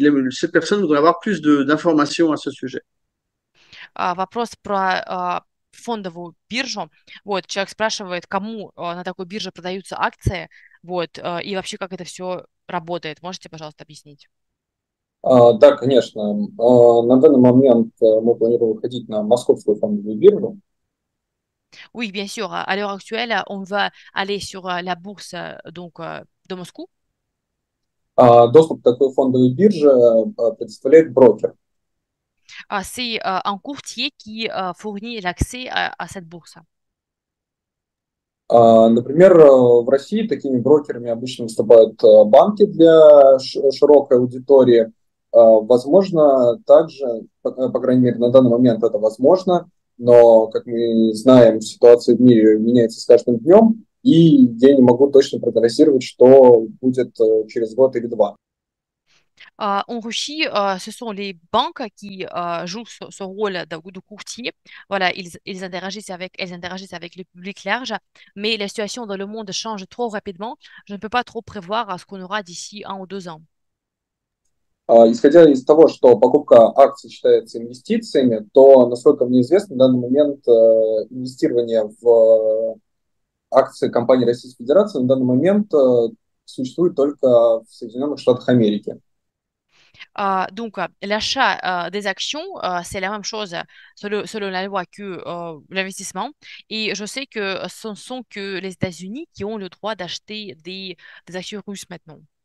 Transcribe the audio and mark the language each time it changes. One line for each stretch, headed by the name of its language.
French: Cette personne voudrait avoir plus d'informations à ce sujet.
Russian: Вопрос про фондовую биржу. Вот, человек спрашивает, кому на такой бирже продаются акции, вот, и вообще, как это все работает. Можете, пожалуйста, объяснить? Да, конечно. На данный момент мы планируем выходить на Московскую фондовую биржу.
French: Oui, bien sûr. À l'heure actuelle, on va aller sur la bourse donc, de Moscou.
Russian: Доступ к такой фондовой бирже предоставляет брокер.
French: C'est un courtier qui fournit l'accès à cette bourse.
Russian: Например, в России такими брокерами обычно выступают банки для широкой аудитории. Возможно, также, по крайней мере, на данный момент это возможно, но, как мы знаем, ситуация в мире меняется с каждым днем, и я не могу точно прогнозировать, что будет через год или два.
French: En Russie, ce sont les banques qui jouent ce rôle de courtier. Voilà, elles interagissent avec le public large. Mais la situation dans le monde change trop rapidement. Je ne peux pas trop prévoir ce qu'on aura d'ici 1 ou 2 ans.
Russian: Исходя из того, что покупка акций считается инвестициями, то, насколько мне известно, на данный момент инвестирование в акции компании Российской Федерации на данный момент существует только в Соединенных Штатах Америки.
French: Donc, l'achat des actions, c'est la même chose selon la loi que l'investissement. Et je sais que ce ne sont que les États-Unis qui ont le droit d'acheter des actions russes maintenant.